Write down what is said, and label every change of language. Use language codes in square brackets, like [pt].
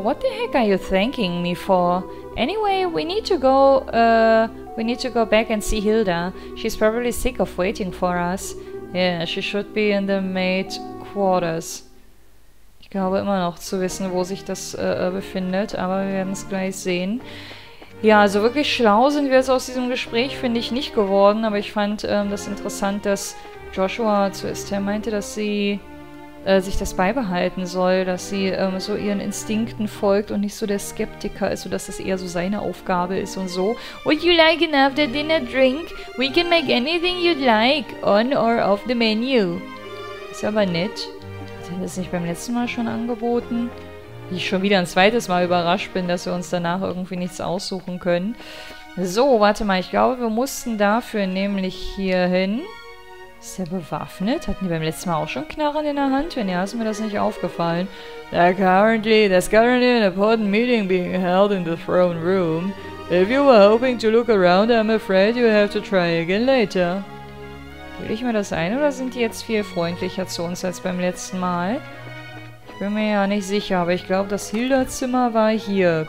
[en] What the heck are you thanking me for? Anyway, we need to go back and see Hilda. She's probably sick of waiting for us. Yeah, she should be in the maid quarters. [de] Ich glaube immer noch zu wissen, wo sich das befindet, aber wir werden es gleich sehen. Ja, also wirklich schlau sind wir jetzt aus diesem Gespräch, finde ich, nicht geworden. Aber ich fand das interessant, dass Joshua zuerst meinte, dass sie... sich das beibehalten soll, dass sie so ihren Instinkten folgt und nicht so der Skeptiker ist, sodass das eher so seine Aufgabe ist und so. [en] Would you like an after dinner drink? We can make anything you'd like, on or off the menu. [de] Ist aber nett. Hat er das nicht beim letzten Mal schon angeboten? Ich schon wieder ein zweites Mal überrascht bin, dass wir uns danach irgendwie nichts aussuchen können. So, warte mal, ich glaube, wir mussten dafür nämlich hier hin. Ist er bewaffnet? Hatten die beim letzten Mal auch schon Knarren in der Hand? Wenn ja, ist mir das nicht aufgefallen. [en] There's currently an important meeting being held in the throne room. If you were hoping to look around, I'm afraid you have to try again later. [de] Will ich mir das ein oder sind die jetzt viel freundlicher zu uns als beim letzten Mal? Ich bin mir ja nicht sicher, aber ich glaube, das Hilda-Zimmer war hier.